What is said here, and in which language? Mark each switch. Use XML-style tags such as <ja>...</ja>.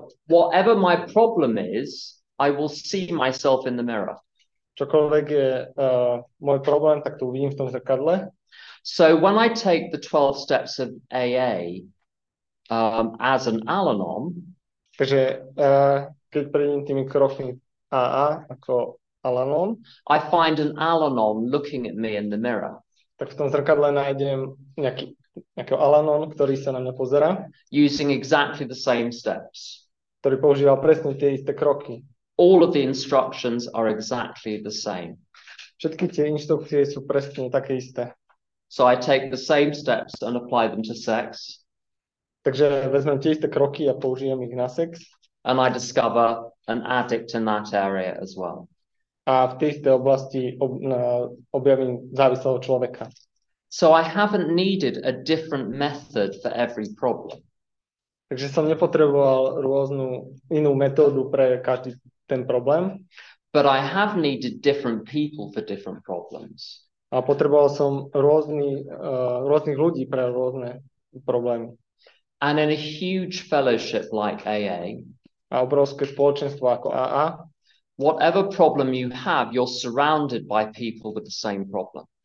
<en>Whatever my problem is, I will see myself in the mirror.</en> <sk>Čokoľvek je môj problém, tak to uvidím v tom zrkadle.</sk> <en>So when I take the 12 steps of AA as an Al-Anon,</en> <sk>takže keď prejdem tými krokmi AA ako Al-Anon,</sk> <en>I find an Al-Anon looking at me in the mirror.</en> <sk>Tak v tom zrkadle nájdem nejakého Al-Anon, ktorý sa na mňa pozerá.</sk> <en>Using exactly the same steps.</en> <sk>Ktorý používal presne tie isté kroky.</sk> <en>All of the instructions are exactly the same.</en> <sk>Všetky tie inštrukcie sú presne také isté.</sk> <en>So I take the same steps and apply them to sex.</en> <sk>Takže vezmem tie isté kroky a použijem ich na sex.</sk> <en>And I discover an addict in that area as well.</en> <sk>A v tej istej oblasti objavím závislého človeka.</sk> <en>So I haven't needed a different method for every problem.</en> <sk>Takže som nepotreboval rôznu inú metódu pre každý ten problém.</sk> <en>But I have needed different people for different problems.</en> <sk>A potreboval som rôznych ľudí pre rôzne problémy.</sk> <en>And in a huge fellowship like AA,</en> <sk>a obrovské spoločenstvo ako AA,</sk> <en>whatever problem you have, you're surrounded by people with the same problem.</en>